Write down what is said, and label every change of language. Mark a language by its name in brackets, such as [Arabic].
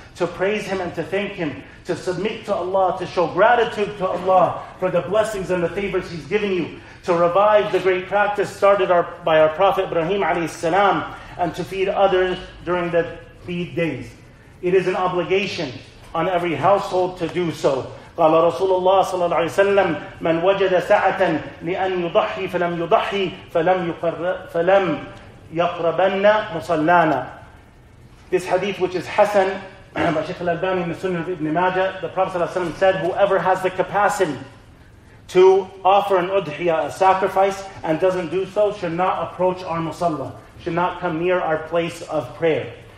[English] To praise Him and to thank Him, to submit to Allah, to show gratitude to Allah for the blessings and the favors He's given you, to revive the great practice started by our Prophet Ibrahim alayhi salam, and to feed others during the feed days. It is an obligation on every household to do so. [Arabic] قال رسول الله صلى الله عليه وسلم من وجد سعة لأن يضحي فلم يضحي فلم يقربن مصلانا. [English] This hadith, which is Hassan by Shaykh al-Albani in the Sunnah of Ibn Majah, the Prophet ﷺ said, whoever has the capacity to offer an udhiya, a sacrifice, and doesn't do so, should not approach our musalla, should not come near our place of prayer.